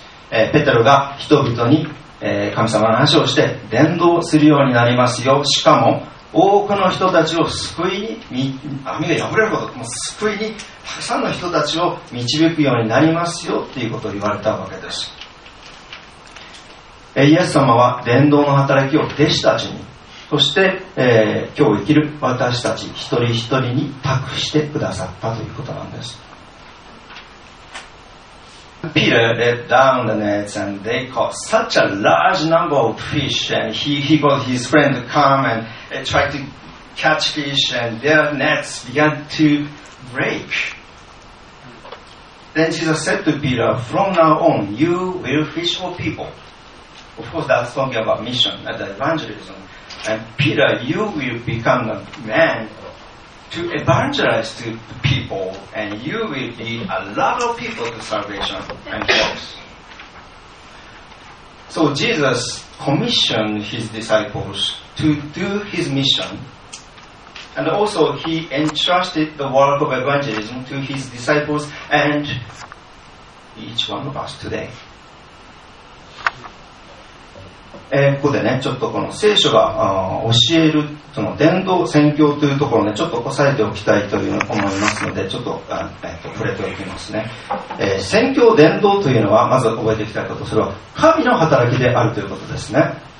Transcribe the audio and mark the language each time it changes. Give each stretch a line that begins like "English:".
Japanese: ペテロが人々に神様の話をして伝道するようになりますよ、しかも多くの人たちを救いに、網が破れること、もう救いにたくさんの人たちを導くようになりますよっていうことを言われたわけです。イエス様は伝道の働きを弟子たちに、そして、今日生きる私たち一人一人に託してくださったということなんです。
English: Peter let down the nets and they caught such a large number of fish and he got his friend to come and try to catch fish and their nets began to break. Then Jesus said to Peter, From now on you will fish for peopleOf course, that's talking about mission and evangelism. And Peter, you will become a man to evangelize to the people, and you will lead a lot of people to salvation and hope. So Jesus commissioned his disciples to do his mission, and also he entrusted the work of evangelism to his disciples and each one of us today.
Japanese: ここでね、ちょっとこの聖書が教えるその伝道宣教というところをね、ちょっと押さえておきたいというのを思いますので、ちょっと触れておきますね。宣教伝道というのは、まず覚えていきたいこと、それは神の働きであるということですね。